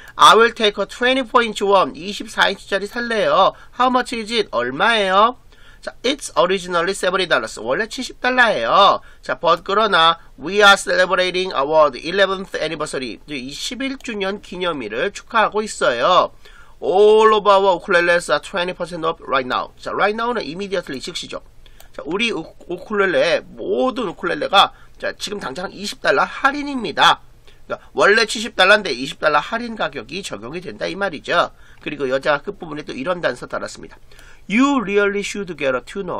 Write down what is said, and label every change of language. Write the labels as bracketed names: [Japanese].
[English] I will take a 24-inch one. [Korean] 24인치짜리 살래요. [English] How much is it? [Korean] 얼마예요? [English] 자, it's originally $70. [Korean] 원래 $70예요. [English] 자, but 그러나 we are celebrating our 11th anniversary. [Korean] 11주년 기념일을 축하하고 있어요. [English] All of our ukuleles are 20% off right now. [Korean] 자, right now는 immediately 즉시죠. 자, 우리 우쿨렐레 모든 우쿨렐레가 자, 지금 당장 $20 할인입니다. 그러니까 원래 $70인데 $20 할인 가격이 적용이 된다 이 말이죠. 그리고 여자가 끝부분에 또 이런 단서 달았습니다. [English] You really should get a tuner.